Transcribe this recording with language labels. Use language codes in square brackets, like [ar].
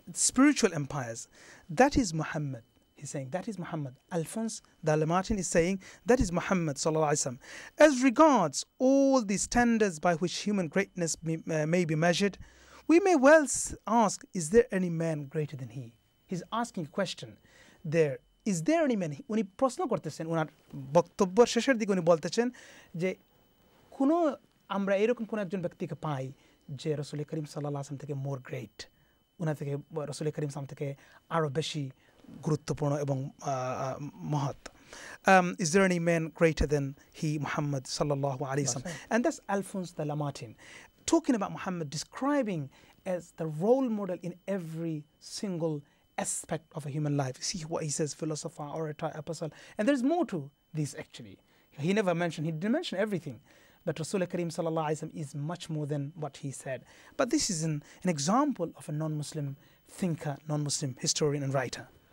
[en] spiritual empires that is muhammad he's saying that is muhammad alphonse dalmatin is saying that is muhammad sallallahu alaihi wasallam as regards all the standards by which human greatness may be measured we may well ask is there any man greater than he he's asking a question there Is there any man? [bn] উনি প্রশ্ন করতেছেন উনার বক্তব্যের শেষের দিকে উনি বলতেছেন যে কোনো আমরা এরকম কোনো একজন ব্যক্তিকে পাই যে রসুল করিম সাল্লাল্লাহু আলাইহি থেকে মোর গ্রেট উনার থেকে রসুল করিম সাম থেকে আরও বেশি গুরুত্বপূর্ণ এবং মহৎ [en] is there any man greater than he Muhammad sallallahu alaihi wasallam and that's Alphonse de Lamartine talking about Muhammad describing as the role model in every single aspect of a human life. See what he says, philosopher, orator, apostle. And there's more to this actually. He didn't mention everything. But Rasul Karim sallallahu alayhi wa sallam is much more than what he said. But this is an example of a non-Muslim thinker, non-Muslim historian and writer.